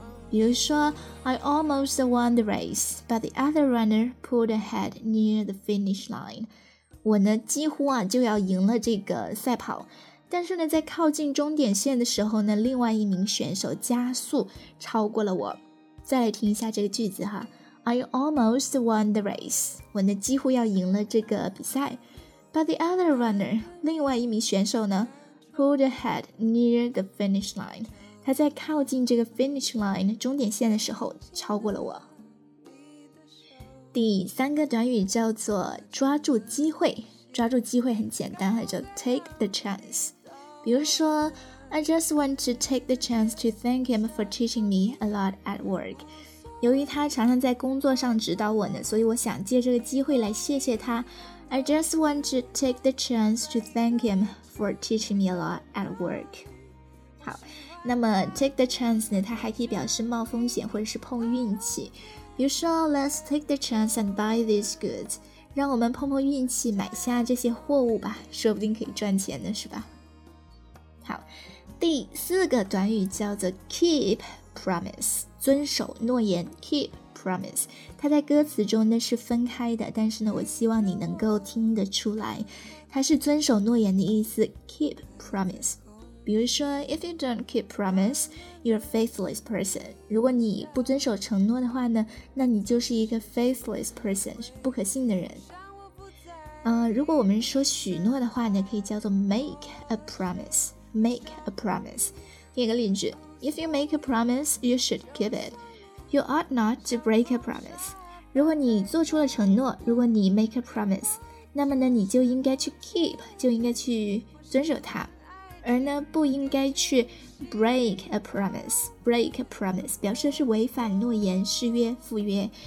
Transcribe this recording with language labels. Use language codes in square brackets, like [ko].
[zh] 比如说 [en] I almost won the race but the other runner pulled ahead near the finish line， [zh] 我呢几乎啊就要赢了这个赛跑，但是呢在靠近终点线的时候呢另外一名选手加速超过了我。再来听一下这个句子哈， [en] I almost won the race， [zh] 我呢几乎要赢了这个比赛。 [en] But the other runner， [zh] 另外一名选手呢 [en] pulled ahead near the finish line， [zh] 他在靠近这个 finish line 终点线的时候超过了我。第三个短语叫做抓住机会，抓住机会很简单，叫 take the chance。比如说 [en] I just want to take the chance to thank him for teaching me a lot at work， [zh] 由于他常常在工作上指导我呢，所以我想借这个机会来谢谢他。 [en] I just want to take the chance to thank him for teaching me a lot at work。 [zh] 好，那么 take the chance 呢，它还可以表示冒风险或者是碰运气。比如说 [en] Let's take the chance and buy these goods， [zh] 让我们碰碰运气买下这些货物吧，说不定可以赚钱呢，是吧。好，第四个短语叫做 keep promise，遵守诺言， keep promise， 它在歌词中呢是分开的，但是呢我希望你能够听得出来它是遵守诺言的意思， keep promise。比如说 [en] If you don't keep promise, you're a faithless person， [zh] 如果你不遵守承诺的话呢，那你就是一个 faithless person， 不可信的人。如果我们说许诺的话呢，可以叫做 make a promise， make a promise。第二个例句， [en] If you make a promise, you should keep it. You ought not to break a promise. [zh] 如果你做出了承诺，如果你 make a promise, 那么呢，你就应该去 keep, 就应该去遵守它，而呢，不应该去 break a promise. Break a promise 表示是违反诺言、誓约、赴约。